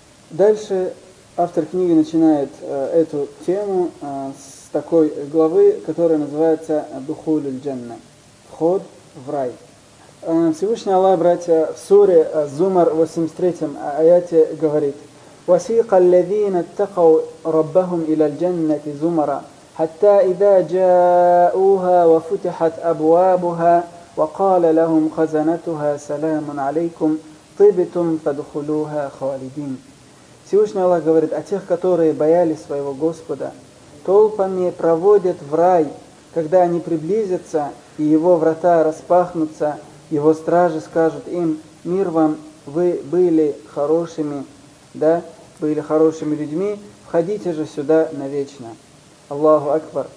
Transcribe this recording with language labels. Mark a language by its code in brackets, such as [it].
[ru] Дальше автор книги начинает эту тему с такой главы, которая называется «Духуль аль-Джанна» – «Вход в рай». Всевышний Аллах, братья, в суре Зумар, 83-м аяте говорит: [ar] «Васиқа ал-лязина ат-такау раббахум иля аль-джаннати зумара». حتى إذا جاءوها وفتحت أبوابها وقال لهم خزنتها سلام عليكم طيبتم فدخلوها خالدين. [ru] Всевышний Аллах говорит о тех, которые боялись своего Господа, толпами проводят в рай, когда они приблизятся и его врата распахнутся, его стражи скажут им: мир вам, вы были хорошими, да, были хорошими людьми, входите же сюда навечно. Аллаху Акбар.